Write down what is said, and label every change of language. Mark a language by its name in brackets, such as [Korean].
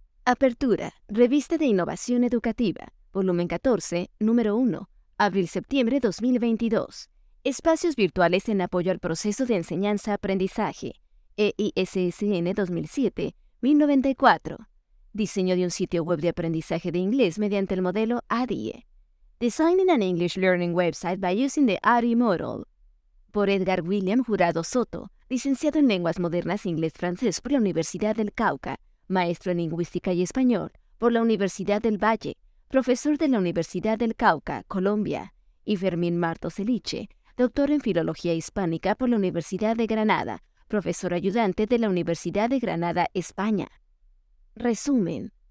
[Spanish] Apertura, Revista de Innovación Educativa, volumen 14, número 1, abril-septiembre 2022. Espacios virtuales en apoyo al proceso de enseñanza-aprendizaje, EISSN 2007-1094. Diseño de un sitio web de aprendizaje de inglés mediante el modelo ADIE. [English] Designing an English Learning Website by Using the ADIE Model. [Spanish] Por Edgar William Jurado Soto, licenciado en Lenguas Modernas Inglés-Francés por la Universidad del Cauca, maestro en Lingüística y Español por la Universidad del Valle, profesor de la Universidad del Cauca, Colombia, y Fermín Martos Eliche, doctor en Filología Hispánica por la Universidad de Granada, profesor ayudante de la Universidad de Granada, España. Resumen.